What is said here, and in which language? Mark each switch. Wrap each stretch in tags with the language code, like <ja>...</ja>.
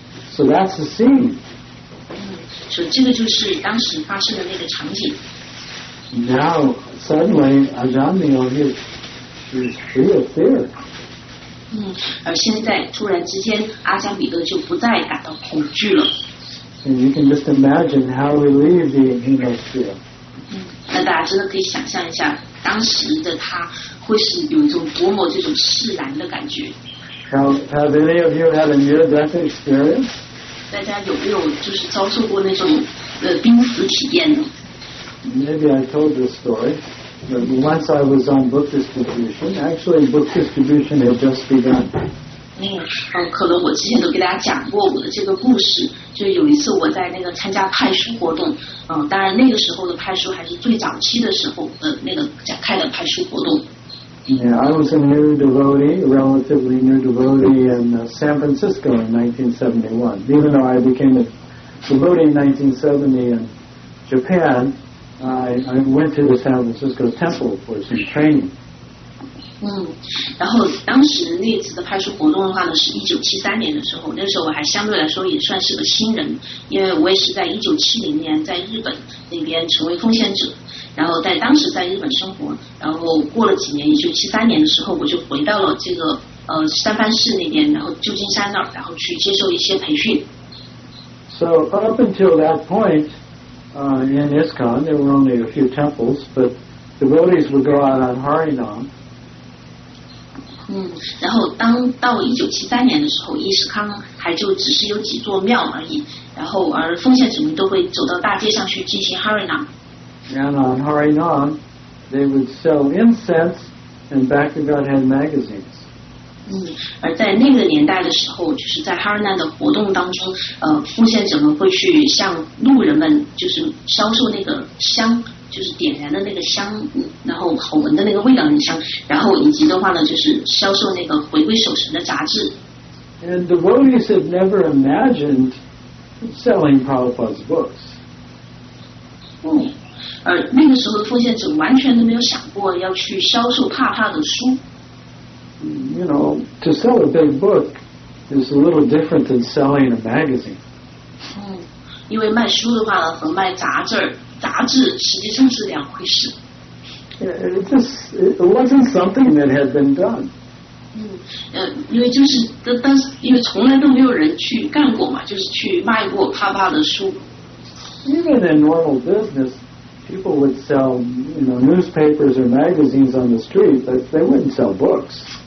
<en>So that's the scene.</en> <zh>所以这个就是当时发生的那个场景。</zh> <en>Now, suddenly, Ajahnil, he's free of fear.</en> <zh>而现在突然之间阿姜彼得就不再感到恐惧了。</zh> <en>And you can just imagine how relieved he must feel.</en> <zh>那大家真的可以想象一下当时的他会是有一种多么这种释然的感觉。</zh> <en>Have any of you had a near-death experience?</en> <zh>大家有没有就是遭受过那种濒死体验呢？</zh> <en>Maybe I told this story. Once I was on book distribution. Actually, book distribution had just begun.</en> <zh>可能我之前都给大家讲过我的这个故事。就有一次我在那个参加派书活动。当然那个时候的派书还是最早期的时候的那个开的派书活动。</zh> <en>Yeah, I was a new devotee, relatively new devotee in San Francisco in 1971. Even though I became a devotee in 1970 in Japan. I went to the San Francisco temple for some training.</en> <zh>然后当时那次的派出活动的话呢，是1973年的时候，那时候我还相对来说也算是个新人，因为我也是在1970年在日本那边成为奉献者，然后在当时在日本生活，然后过了几年，1973年的时候，我就回到了这个三藩市那边，然后旧金山那儿，然后去接受一些培训。</zh> <en>So up until that point. In ISKCON, there were only a few temples, but devotees would go out on Harinam.</en> <zh>然后当到1973年的时候，伊斯康还就只是有几座庙而已。然后而奉献者们都会走到大街上去进行 Harinam.</zh> <en>And on Harinam, they would sell incense and Bhaktivedanta had magazines.</en> <zh>而在那个年代的时候，就是在哈尔南的活动当中，奉献者们会去向路人们就是销售那个香，就是点燃的那个香，然后好闻的那个味道的香，然后以及的话呢，就是销售那个回归守神的杂志。</zh> <en>And the devotees had never imagined selling Prabhupada's books.</en> <zh>而那个时候的奉献者完全都没有想过要去销售帕帕的书。</zh> <en>You know, to sell a big book is a little different than selling a magazine.</en> <zh>因为卖书的话呢，和卖杂志实际上是两回事。</zh> <en>It wasn't something that had been done.</en> <zh>因为从来都没有人去干过嘛，就是去卖过帕帕的书。</zh> <en>Even in normal business, people would sell, you know, newspapers or magazines on the street, but they wouldn't sell books.</en>